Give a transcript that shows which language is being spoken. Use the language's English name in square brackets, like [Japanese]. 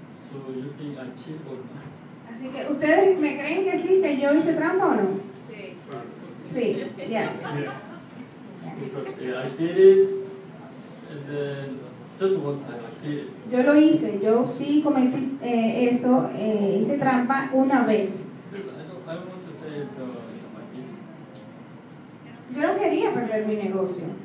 [English] So you think I cheat or not? [Spanish] Así que ustedes me creen que sí, que yo hice trampa o no? Sí. Sí, yes. [English] Yeah. Because, I did it and then just one time I did it. [Spanish] Yo lo hice, yo sí cometí eso, hice trampa una vez. [English] I don't want to say my business. [Spanish] Yo no quería perder mi negocio.